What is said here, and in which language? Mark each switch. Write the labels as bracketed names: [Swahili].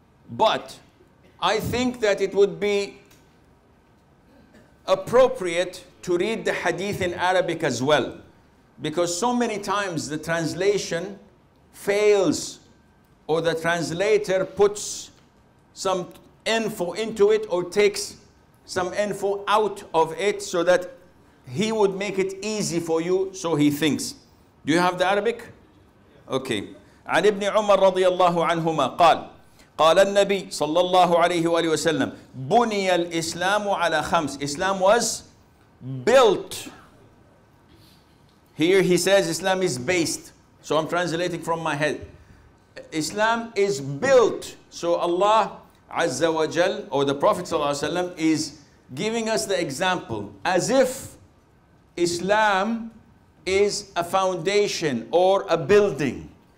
[English] But I think that it would be appropriate to read the hadith in Arabic as well, because so many times the translation fails, or the translator puts some info into it or takes some info out of it so that he would make it easy for you, so he thinks. Do you have the Arabic? Okay. [Arabic] عن ابن عمر رضي الله عنهما قال قال النبي صلى الله عليه وآله وسلم بني الإسلام على خمس. [English] Islam was built. Here he says Islam is based. So I'm translating from my head. Islam is built. So Allah [Arabic] عز وجل, [English] or the Prophet [Arabic] صلى الله عليه وسلم, [English] is giving us the example as if Islam is a foundation or a building.